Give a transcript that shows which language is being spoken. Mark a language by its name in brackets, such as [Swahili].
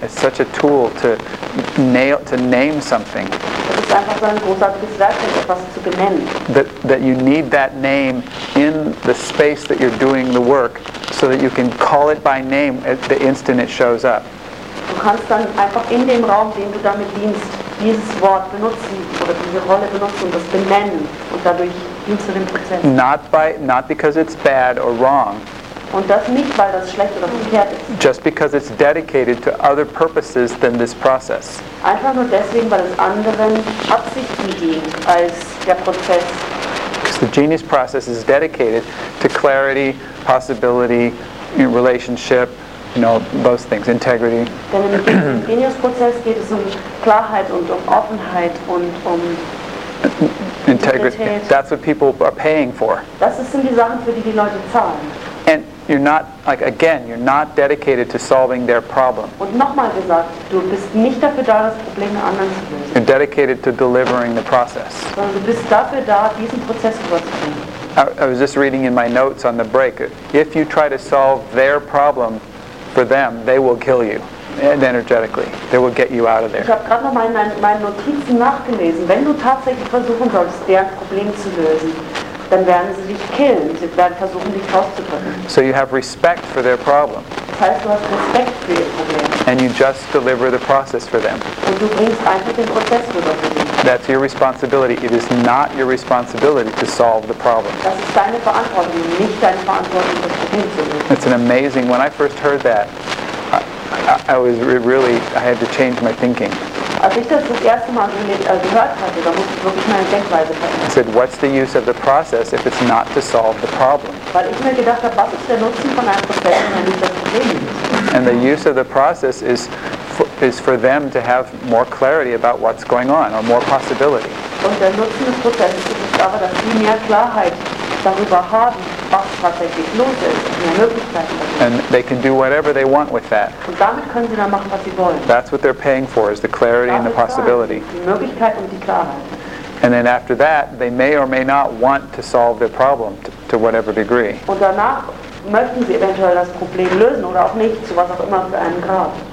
[English] It's such a tool to name something. That you need that name in the space that you're doing the work so that you can call it by name at the instant it shows up. [German] Du kannst dann einfach in dem Raum, den du damit dienst, dieses Wort benutzen oder diese Rolle benutzen und das benennen und dadurch dienst du dem Prozess. [English] Not because it's bad or wrong. [German] Und das nicht, weil das schlecht oder verkehrt ist. [English] Just because it's dedicated to other purposes than this process. [German] Einfach nur deswegen, weil es anderen Absichten dient als der Prozess. [English] Because the genius process is dedicated to clarity, possibility, relationship, you know, those things, integrity. [German] Denn im Genius-Prozess geht es um Klarheit und um Offenheit und um [English] integrity. That's what people are paying for. [German] Das sind die Sachen, für die die Leute zahlen. [English] And you're not, like again, you're not dedicated to solving their problem. [German] Und nochmal gesagt, du bist nicht dafür da, das Problem der anderen zu lösen. [English] You're dedicated to delivering the process. [German] Sondern du bist dafür da, diesen Prozess vorzubringen. [English] I was just reading in my notes on the break, if you try to solve their problem for them, they will kill you, and energetically. They will get you out of there. [German] Ich habe gerade noch meine Notizen nachgelesen. Wenn du tatsächlich versuchen sollst, deren Problem zu lösen, dann werden sie dich killen. Sie werden versuchen, dich rauszudrücken. [English] So you have respect for their problem. [German] Das heißt, du hast Respekt für ihr Problem. [English] And you just deliver the process for them. [German] Und du bringst einfach den Prozess für sie. [English] That's your responsibility. It is not your responsibility to solve the problem. [German] Das ist deine Verantwortung, nicht deine Verantwortung, das Problem zu lösen. [English] It's an amazing. When I first heard that, I had to change my thinking. [German] Als ich das erste Mal gehört hatte, da musste ich wirklich meine Denkweise verändern. [English] I said, what's the use of the process if it's not to solve the problem? [German] Weil ich mir gedacht habe, was ist der Nutzen von einem Prozess, wenn er nicht das Problem ist? [English] And the use of the process is for them to have more clarity about what's going on, or more possibility. [German] Und der Nutzen des Prozesses ist aber, dass sie mehr Klarheit darüber haben, was tatsächlich los ist, mehr Möglichkeiten. [English] And they can do whatever they want with that. [German] Und damit können sie dann machen, was sie wollen. [English] That's what they're paying for, is the clarity and the possibility. [German] Die Möglichkeit und die Klarheit. [English] And then after that, they may or may not want to solve their problem to whatever degree. [German] Und danach möchten sie eventuell das Problem lösen oder auch nicht, zu was auch immer für einen Grad.